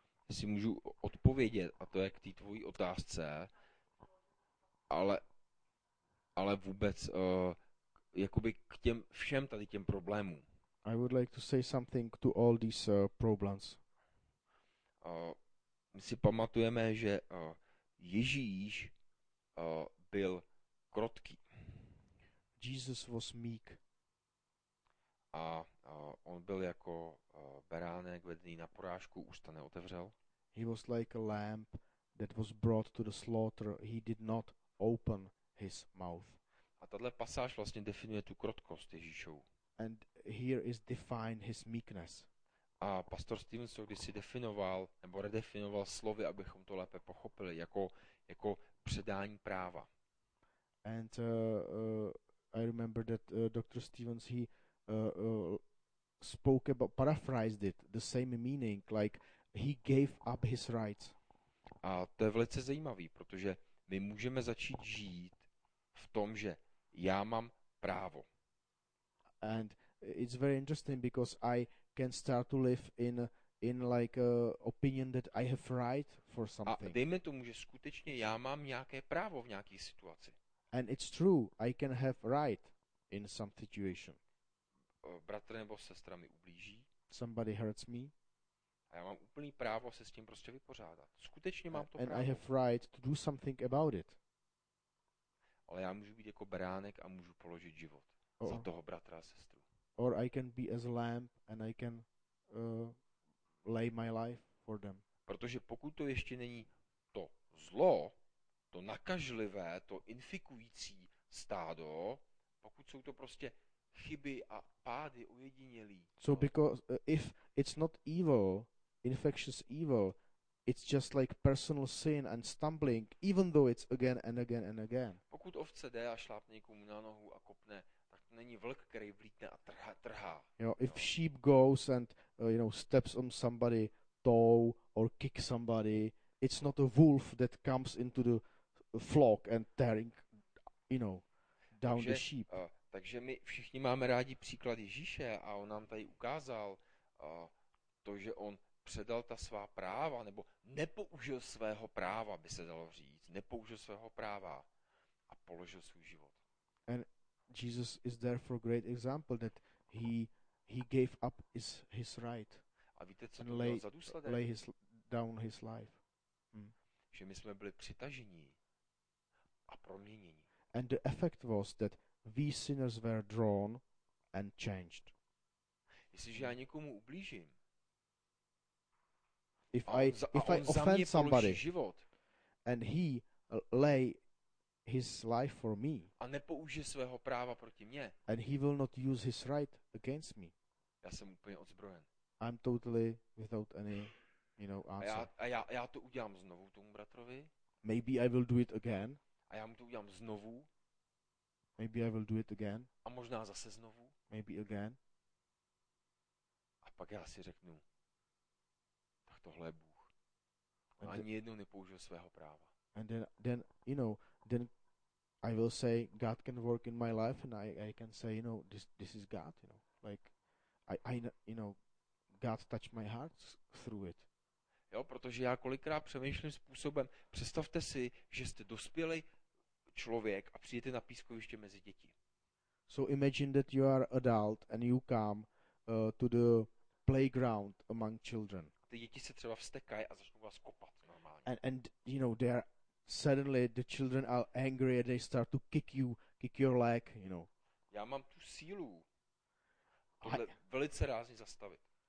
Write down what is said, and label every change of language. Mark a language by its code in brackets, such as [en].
[cs] Si můžu odpovědět, a to je k té tvojí otázce, ale vůbec jakoby k těm všem tady těm problémům. [en] I would like to say something to all these problems. [cs] My si pamatujeme, že Ježíš byl krotký. [en] Jesus was meek. [cs] A on byl jako beránek vedený na porážku, ústa neotevřel. [en] He was like a lamb that was brought to the slaughter. He did not open his mouth. [cs] A tato pasáž vlastně definuje tu krotkost Ježíšovu. [en] And here is defined his meekness. [cs] A pastor Stevenson když si definoval nebo redefinoval slovy, abychom to lépe pochopili, jako předání práva. [en] And I remember that Dr. Stevens spoke about paraphrased it the same meaning like he gave up his rights. [cs] A to je velice zajímavý, protože my můžeme začít žít v tom, že já mám právo. [en] And it's very interesting because I can start to live in like a opinion that I have right for something. [cs] A dejme tomu, že skutečně já mám nějaké právo v nějaké situaci. [en] And it's true, I can have right in some situation. [cs] Bratr nebo sestra mi ublíží. [en] Somebody hurts me. [cs] Já mám úplný právo se s tím prostě vypořádat. Skutečně mám to [en] and [cs] právo. [en] I have right to do something about it. [cs] Ale já můžu být jako beránek a můžu položit život or, za toho bratra a sestru. [en] Or I can be as lamb and I can lay my life for them. [cs] Protože pokud to ještě není to zlo, to nakažlivé, to infikující stádo, pokud jsou to prostě chyby a pády ojedinělí. [en] So because if it's not evil, infectious evil, it's just like personal sin and stumbling, even though it's again and again and again. [cs] Pokud ovce jde a šlápne někomu na nohu a kopne, tak to není vlk, který vlítne a trhá. [en] You know, if sheep goes and you know steps on somebody toe or kick somebody, it's not a wolf that comes into the flock and tearing, you know, down [cs] takže, [en] the sheep. [cs] Takže my všichni máme rádi příklad Ježíše a on nám tady ukázal to, že on předal ta svá práva, nebo nepoužil svého práva, by se dalo říct, nepoužil svého práva a položil svůj život. [en] And Jesus is therefore a great example that he gave up his right. [cs] A víte, co to bylo za důsledek? [en] Lay his down his life. Hmm. [cs] Že my jsme byli přitaženi a proměněni. [en] And the effect was that we sinners were drawn and changed. [cs] Jestliže já někomu ublížím. [en] If I offend somebody. [cs] Život, [en] and he lay his life for me. [cs] A nepoužije svého práva proti mně. [en] And he will not use his right against me. [cs] Já jsem úplně odzbrojen. [en] I'm totally without any, you know, answer. [cs] A já to udělám znovu tomu bratrovi. [en] Maybe I will do it again. [cs] A já mu to udělám znovu. [en] Maybe I will do it again. [cs] A možná zase znovu. [en] Maybe again. [cs] A pak já si řeknu, tak tohle je Bůh. On ani jednou nepoužil svého práva. [en] And then you know, then I will say God can work in my life, and I can say, you know, this is God, you know, like I you know, God touched my heart through it. [cs] Jo, protože já kolikrát přemýšlím způsobem, představte si, že jste dospělý člověk a přijdete na pískoviště mezi děti. [en] So imagine that you are adult and you come to the playground among children. [cs] Ty děti se třeba vztekají a začnou vás kopat normálně. [en] And you know, they are suddenly the children are angry and they start to kick your leg, you know. [cs] Já mám tu sílu tohle velice rázně zastavit.